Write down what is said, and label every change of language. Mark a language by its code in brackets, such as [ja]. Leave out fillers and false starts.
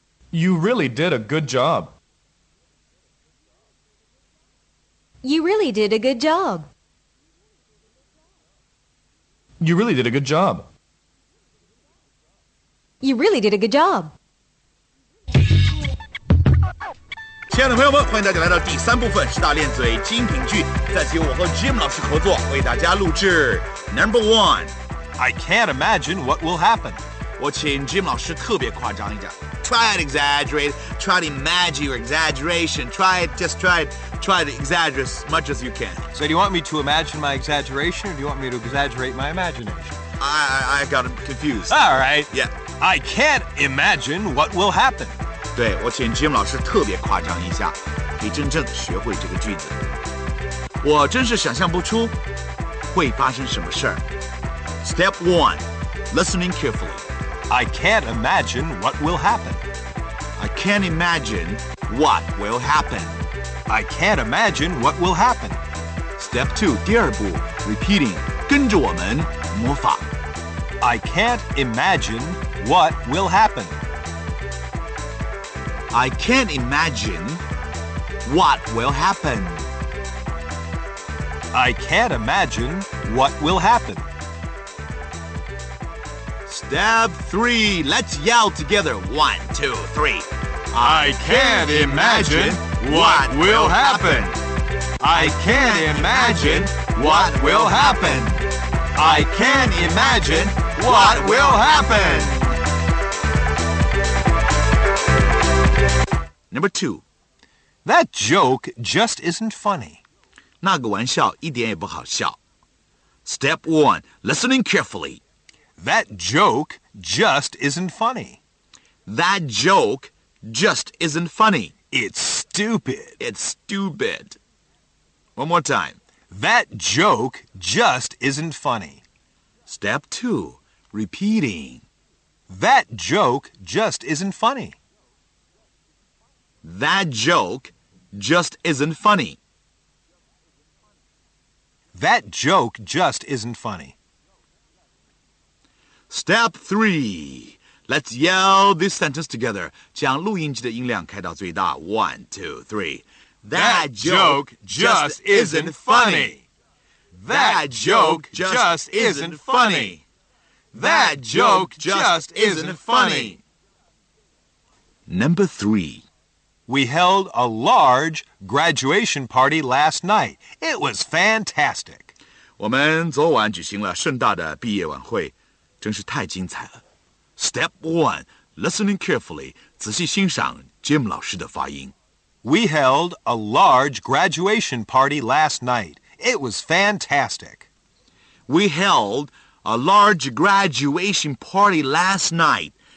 [en] You really did a good job. You really did a good job. You really did a good job. You really did a good job. [zh] 亲爱的朋友们，欢迎大家来到第三部分十大练嘴精品句。在此，我和 Jim 老师合作为大家录制 Number One。 [en] I can't imagine what will happen。 [zh] 我请 Jim 老师特别夸张一点。 [en] Try to exaggerate. Try to imagine your exaggeration. Try to exaggerate as much as you can. So do you want me to imagine my exaggeration, or do you want me to exaggerate my imagination? I got confused. All right. Yeah. I can't imagine what will happen. [zh] 对，我请 Jim 老师特别夸张一下，可以真正的学会这个句子。我真是想象不出会发生什么事儿。 [en] Step one, listening carefully. I can't imagine what will happen. I can't imagine what will happen. I can't imagine what will happen. Step two, [zh] 第二步 [en] repeating, [zh] 跟着我们模仿。 [en] I can't imagine what will happen. I can't imagine what will happen. I can't imagine what will happen. Step three, let's yell together. One, two, three. I can't imagine what will happen. I can't imagine what will happen. I can't imagine what will happen. Number two, that joke just isn't funny. [zh] 那个玩笑一点也不好笑。 [en] Step one, listening carefully. That joke just isn't funny. That joke just isn't funny. It's stupid. It's stupid. One more time. That joke just isn't funny. Step two, repeating. That joke just isn't funny. That joke just isn't funny. That joke just isn't funny. Step three. Let's yell this sentence together. [zh] 将录音机的音量开到最大。 [en] One, two, three. That joke just isn't funny. That joke just isn't funny. That joke just isn't funny. Number three. We held a large graduation party last night. It was fantastic. [zh] 我们昨晚举行了盛大的毕业晚会，真是太精彩了。 [en] Step one, listening carefully, [zh] 仔细欣赏 Jim 老师的发音。 [en] We held a large graduation party last night. It was fantastic. We held a large graduation party last night.